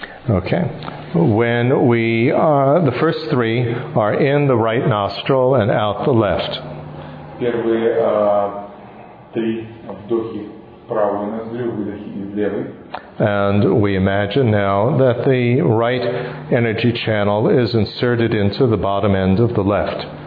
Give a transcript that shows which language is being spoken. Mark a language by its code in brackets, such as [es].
[en] Okay. When we are, the first three are in the right nostril and out the left. [ru] Первые три вдохи правой ноздри, выдохи из левой. [en] And we imagine now that the right energy channel is inserted into the bottom end of the left.